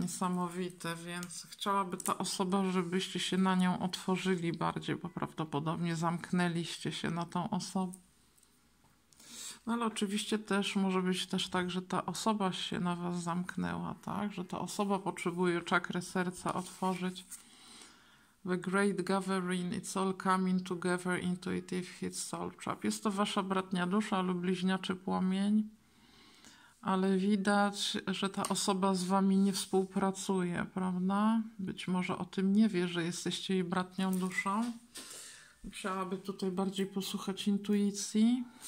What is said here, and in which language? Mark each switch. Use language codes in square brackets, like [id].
[pl] Niesamowite, więc chciałaby ta osoba, żebyście się na nią otworzyli bardziej, bo prawdopodobnie zamknęliście się na tą osobę. No ale oczywiście też może być też tak, że ta osoba się na was zamknęła, tak? Że ta osoba potrzebuje czakrę serca otworzyć. [en] The great gathering, it's all coming together, intuitive hit soul trap. [pl] Jest to wasza bratnia dusza lub bliźniaczy płomień, ale widać, że ta osoba z wami nie współpracuje, prawda? Być może o tym nie wie, że jesteście jej bratnią duszą. Musiałaby tutaj bardziej posłuchać intuicji.